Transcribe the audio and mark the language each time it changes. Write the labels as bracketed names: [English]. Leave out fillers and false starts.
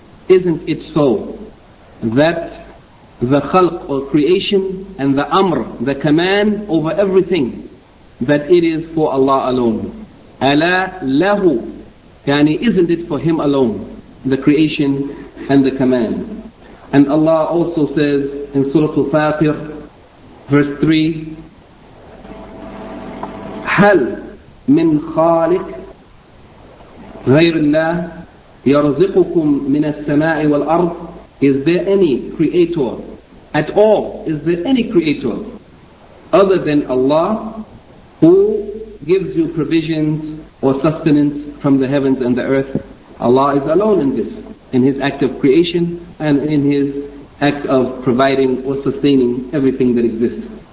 [English] Isn't it so that the khalq or creation and the amr, the command over everything, that it is for Allah alone? [Arabic] أَلَا لَهُ, يعني [English] isn't it for Him alone, the creation and the command? And Allah also says in Surah Al-Fatir, verse 3, [Arabic] هَلْ مِنْ خَالِقْ غَيْرِ اللَّهِ يَرْزِقُكُمْ مِنَ السَّمَاءِ وَالْأَرْضِ. [English] Is there any creator at all? Is there any creator other than Allah who gives you provisions or sustenance from the heavens and the earth? Allah is alone in this, in His act of creation and in His act of providing or sustaining everything that exists.